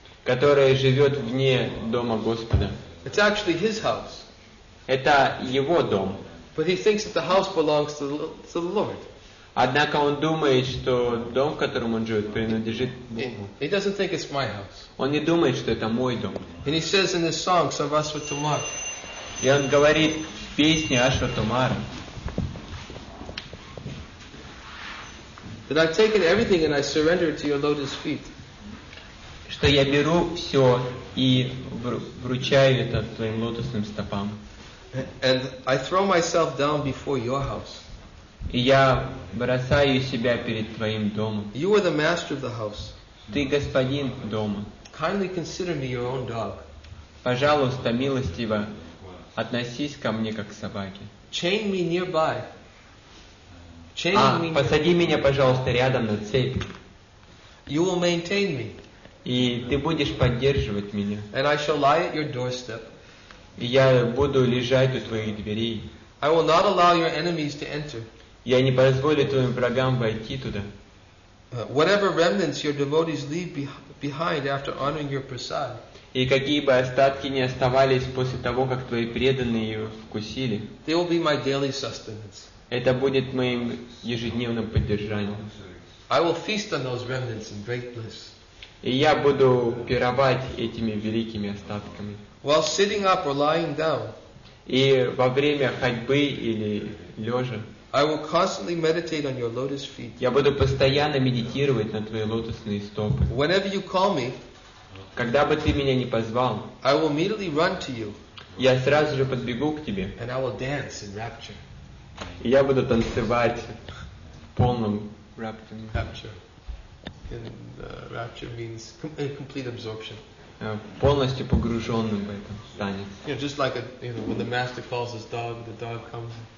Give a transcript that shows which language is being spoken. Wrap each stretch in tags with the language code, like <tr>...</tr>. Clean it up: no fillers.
<ru>Которая живет вне дома Господа.</ru> <en>It's actually his house.</en> <ru>Это его дом.</ru> <en>But he thinks that the house belongs to the Lord.</en> <ru>Однако он думает, что дом, в котором он живет, принадлежит Богу.</ru> <en>He doesn't think it's my house.</en> <ru>Он не думает, что это мой дом.</ru> <en>And he says in his song, Sarvasvatumar.</en> <ru>И он говорит в песне Ашватумар.</ru> <en>That I've taken everything and I surrender it to your lotus feet.</en> <ru>Что я беру все и вручаю это твоим лотосным стопам.</ru> <en>And I throw myself down before your house.</en> <ru>И я бросаю себя перед твоим домом.</ru> <en>You are the master of the house.</en> <ru>Ты господин дома.</ru> <en>Kindly consider me your own dog.</en> <ru>Пожалуйста, милостиво, относись ко мне как к собаке.</ru> <en>Chain me nearby.</en> <ru>Посади меня, пожалуйста, рядом на цепь.</ru> <en>You will maintain me.</en> <ru>И ты будешь поддерживать меня.</ru> <en>And I shall lie at your doorstep.</en> <ru>И я буду лежать у твоих дверей.</ru> <en>I will not allow your enemies to enter.</en> <ru>Я не позволю твоим врагам войти туда.</ru> <en>Whatever remnants your devotees leave behind after honoring your prasad.</en> <ru>И какие бы остатки ни оставались после того, как твои преданные ее вкусили.</ru> <en>They will be my daily sustenance.</en> <ru>Это будет моим ежедневным поддержанием.</ru> <en>I will feast on those remnants in great bliss.</en> <ru>И я буду пировать этими великими остатками.</ru> <en>While sitting up or lying down.</en> <ru>И во время ходьбы или лежа.</ru> <en>I will constantly meditate on your lotus feet.</en> <ru>Я буду постоянно медитировать на твои лотосные стопы.</ru> <en>Whenever you call me,</en> <ru>когда бы ты меня не позвал,</ru> <en>I will immediately run to you.</en> <ru>Я сразу же подбегу к тебе.</ru> <en>And I will dance in rapture.</en> <ru>И я буду танцевать в полном rapture.</ru> <en>Rapture. And rapture means complete absorption.</en> <ru>Полностью погруженным в этом стане.</ru> <en>You know, just like when the master calls his dog, the dog comes.</en>